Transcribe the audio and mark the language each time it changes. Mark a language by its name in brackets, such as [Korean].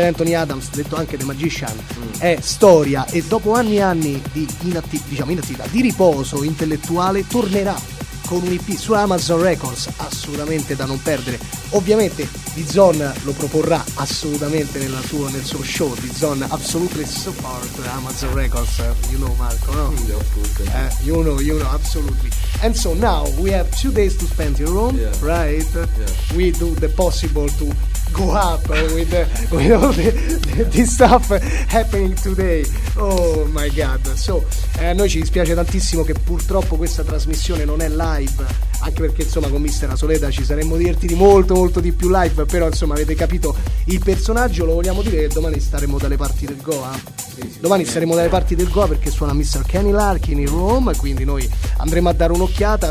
[Italian] Anthony Adams, detto anche The Magician, è storia, e dopo anni e anni di inattività, di riposo intellettuale, tornerà con un EP su Amazon Records, assolutamente da non perdere. Ovviamente Dizon lo proporrà assolutamente nel suo show. [English] Dizon absolutely support Amazon Records, you know, Marco, no? You know, absolutely. And so now we have 2 days to spend in Rome, yeah. Right? Yeah. We do the possible to go up with all this stuff happening today. Oh my god. [Italian] So noi ci dispiace tantissimo che purtroppo questa trasmissione non è live, anche perché insomma con Mister La Soleda ci saremmo divertiti molto molto di più live, però insomma avete capito il personaggio, lo vogliamo dire, e domani staremo dalle parti del Goa. Domani saremo dalle parti del Goa, perché suona Mr. Kenny Larkin in Roma, quindi noi andremo a dare un'occhiata.